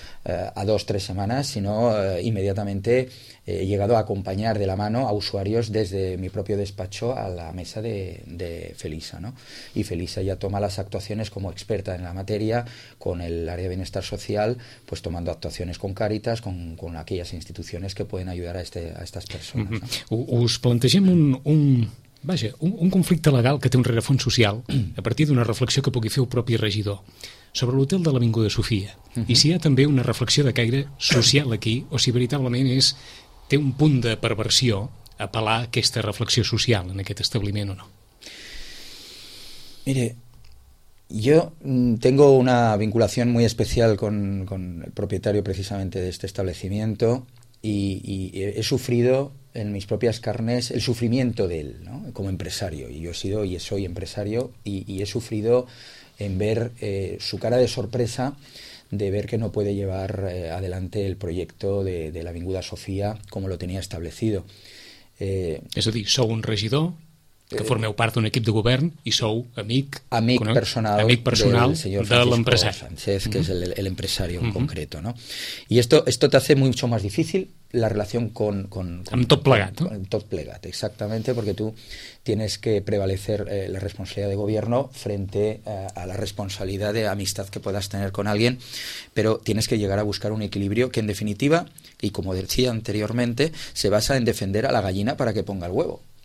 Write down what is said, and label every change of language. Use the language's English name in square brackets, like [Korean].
[Spanish] a 2-3 semanas, sino inmediatamente he llegado a acompañar de la mano a usuarios desde mi propio despacho a la mesa de Felisa, ¿no? Y Felisa ya toma las actuaciones como experta en la materia, con el área de bienestar social, pues tomando actuaciones con Cáritas, con aquellas instituciones que pueden ayudar a estas personas, ¿no? [Catalan] Us plantegem un conflicte legal que té un rerefons social a partir d'una reflexió que pugui fer el propi regidor sobre l'hotel de l'Avinguda Sofia. Uh-huh. I si hi ha també una reflexió de caire social aquí, o si veritablement té un punt de perversió apel·lar a aquesta reflexió social en aquest establiment o no. [Spanish] Mire, yo tengo una vinculación muy especial con el propietario precisamente de este establecimiento y he sufrido en mis propias carnes el sufrimiento de él, ¿no? Como empresario. Y yo he sido y soy empresario y he sufrido en ver su cara de sorpresa de ver que no puede llevar adelante el proyecto de la Avinguda Sofía como lo tenía establecido. [Catalan] És a dir, sou un regidor que formeu part d'un equip de govern i sou amic, amic personal del senyor Francisco Sánchez, que és l'empresari [Spanish] en concreto, [Catalan] no? [Spanish] I esto te hace mucho más difícil la relación con [Catalan] tot plegat, [Spanish] exactamente, porque tú tienes que prevalecer la responsabilidad de gobierno frente a la responsabilidad de amistad que puedas tener con alguien, pero tienes que llegar a buscar un equilibrio que en definitiva, y como decía anteriormente, se basa en defender a la gallina para que ponga el huevo.